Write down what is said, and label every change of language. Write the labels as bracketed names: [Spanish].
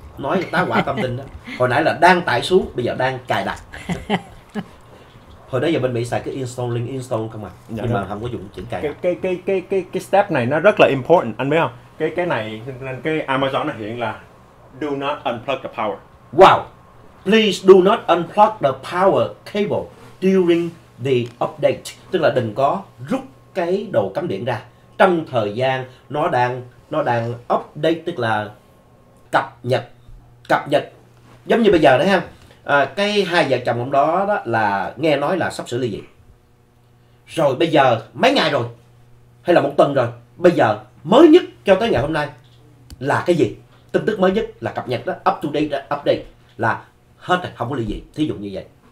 [Vietnamese] Nói tá quả tâm linh đó. Hồi nãy là đang tải xuống, bây giờ đang cài đặt. Hồi đó giờ bên Mỹ xài cái install không à. Dạ, nhưng đúng. Mà không có dùng chữ cài đặt. Cái step này nó rất là important, anh biết không? Cái này nên cái Amazon nó hiện là [English] do not unplug the power. Wow. Please do not unplug the power cable during the update. [Vietnamese] Tức là đừng có rút cái đồ cắm điện ra trong thời gian nó đang update, tức là cập nhật. Giống như bây giờ đấy ha, cái hai vợ chồng ông đó là nghe nói là sắp sửa ly dị rồi, bây giờ mấy ngày rồi hay là một tuần rồi, bây giờ mới nhất cho tới ngày hôm nay là cái gì, tin tức mới nhất là cập nhật đó, up to date, update là hết rồi, không có ly dị, thí dụ như vậy.